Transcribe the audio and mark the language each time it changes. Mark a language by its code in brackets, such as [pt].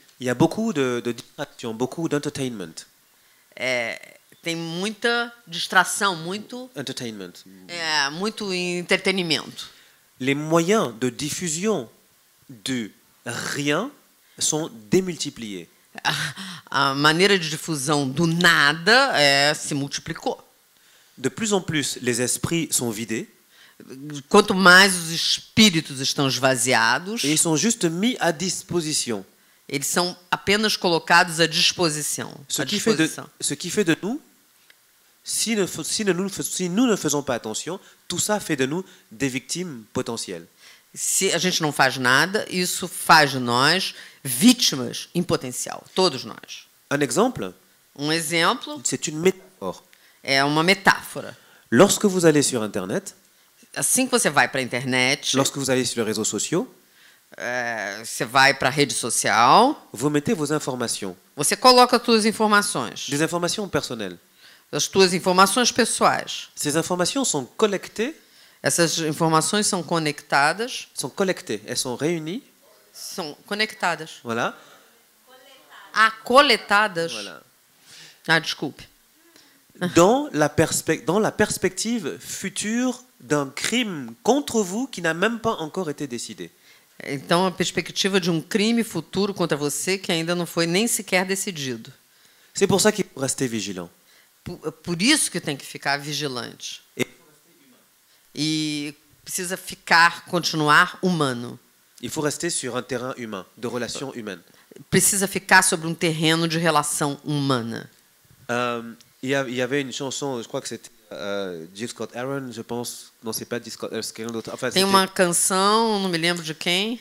[fr] Il y a beaucoup de distractions, beaucoup d'entertainment. [pt] Tem muita distração, muito [en] entertainment. [pt] Muito entretenimento. [fr] Les moyens de diffusion du rien sont démultipliés. [pt] A maneira de difusão do nada se multiplicou. [fr] De plus en plus les esprits sont vidés. [pt] Quanto mais os espíritos estão esvaziados, eles são justo [fr] mis à disposition. [pt] Eles são apenas colocados à disposição. [fr] Ce qui fait de nous, si nous ne faisons pas attention, tout ça fait de nous des victimes potentielles. [pt] Se a gente não faz nada, isso faz de nós vítimas em potencial, todos nós. Um exemplo. [fr] C'est une métaphore. [pt] É uma metáfora. [fr] Lorsque vous allez sur internet. [pt] Assim que você vai para a internet, [fr] lorsque vous allez sur les réseaux sociaux, [pt] você vai para a rede social, [fr] vous mettez vos informations, [pt] você coloca as suas informações, [fr] des informations personnelles, [pt] as suas informações pessoais, [fr] ces informations sont collectées, [pt] essas informações são conectadas, [fr] sont collectées, elles sont réunies, [pt] são conectadas, [fr] voilà, [pt] coletadas, [fr] voilà. [pt] Ah, desculpe, [fr] dans la perspective future d'un crime contre vous qui n'a même pas encore été décidé. [pt] Então a perspectiva de crime futuro contra você que ainda não foi nem sequer decidido. [fr] C'est pour ça qu'il faut rester vigilant. [pt] Por isso que tem que ficar vigilante. E precisa ficar continuar humano. [fr] Il faut rester sur un terrain humain, de relation humaine. [pt] Precisa ficar sobre terreno de relação humana. [fr] Il y avait une chanson, je crois que c'était Jill Scott Aaron, je pense. Non, c'est pas Jill Scott Aaron, c'est quelqu'un d'autre. Enfin, [pt] tem uma canção, não me lembro de quem.